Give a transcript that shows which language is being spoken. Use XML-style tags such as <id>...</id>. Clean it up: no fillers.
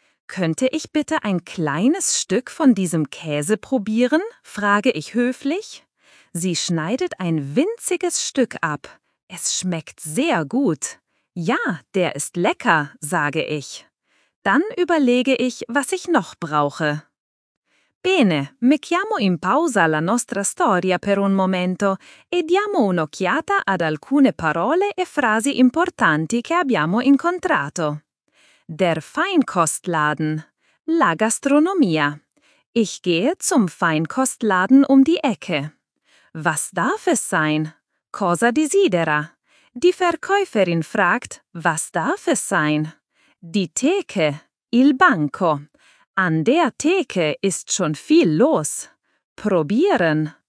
<de>»Könnte ich bitte ein kleines Stück von diesem Käse probieren?«, frage ich höflich. Sie schneidet ein winziges Stück ab. Es schmeckt sehr gut. »Ja, der ist lecker«, sage ich. Dann überlege ich, was ich noch brauche.</de> <it>Bene, mettiamo in pausa la nostra storia per un momento e diamo un'occhiata ad alcune parole e frasi importanti che abbiamo incontrato.</it> <de>Der Feinkostladen.</de> <it>La gastronomia.</it> <de>Ich gehe zum Feinkostladen um die Ecke. Was darf es sein?</de> <it>Cosa desidera?</it> <de>Die Verkäuferin fragt, was darf es sein? Die Theke.</de> <it>Il banco.</it> <de>An der Theke ist schon viel los. Probieren.</de>